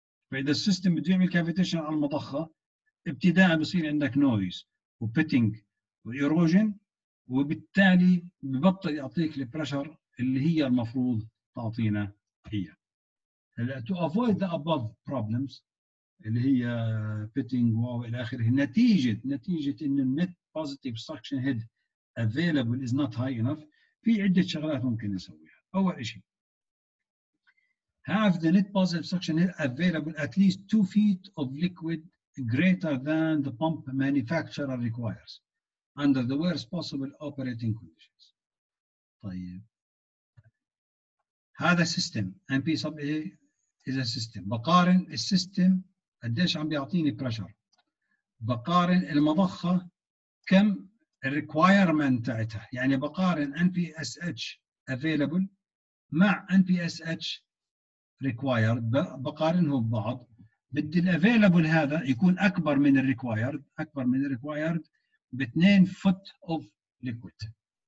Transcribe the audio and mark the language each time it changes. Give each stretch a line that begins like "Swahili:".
Arabic: فإذا السيستم بده يعمل كافيتيشن على المضخة، ابتداء بصير عندك نويز وبيتنج وإيروجين، وبالتالي ببطل يعطيك البريشر اللي هي المفروض تعطينا هي.
English: To avoid the above problems
Arabic: اللي هي pitting وإلى آخره، نتيجة إن
English: net positive suction head available is not high enough،
Arabic: في عدة شغلات ممكن نسويها. أول إشي
English: have the net positive suction head available at least 2 feet of liquid greater than the pump manufacturer requires under the worst possible operating conditions.
Arabic: طيب هذا system MP sub A إذا السيستم، بقارن السيستم قديش عم بيعطيني بريشر، بقارن المضخة كم الريكويرمنت تاعتها، يعني بقارن NPSH available مع NPSH required، بقارنه ببعض، بدي الافيلبل هذا يكون اكبر من الريكويرد، اكبر من الريكويرد ب
English: 2 foot of liquid.